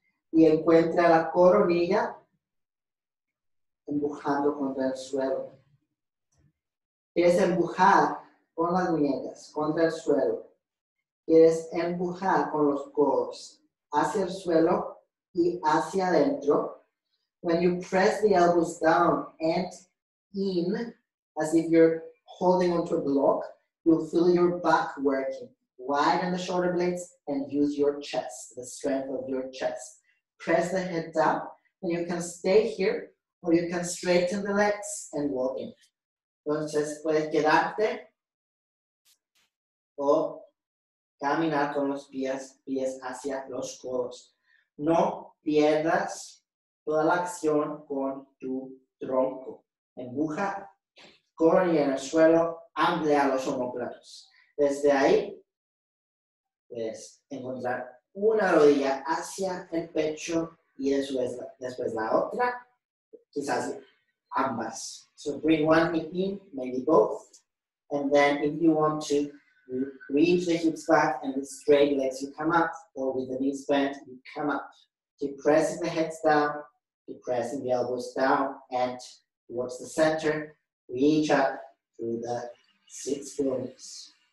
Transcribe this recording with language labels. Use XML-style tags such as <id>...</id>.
<es>Y encuentra la coronilla empujando contra el suelo. Quieres empujar con las muñecas contra el suelo. Quieres empujar con los codos hacia el suelo y hacia adentro.</es> <en>When you press the elbows down and in, as if you're holding onto a block, you'll feel your back working. Widen the shoulder blades and use your chest, the strength of your chest. Press the head down and you can stay here. Or you can straighten the legs and walk in.</en> <es>Entonces, puedes quedarte o caminar con los pies hacia los codos. No pierdas toda la acción con tu tronco. Empuja, coronilla en el suelo, amplía los homóplatos. Desde ahí, puedes encontrar una rodilla hacia el pecho y después la otra, quizás ambas.</es> <en>So bring one knee in, maybe both. And then if you want to, reach the hips back and the straight legs, you come up, or with the knees bent, you come up. Keep pressing the heads down, keep pressing the elbows down and towards the center, reach up through the six bones.</en>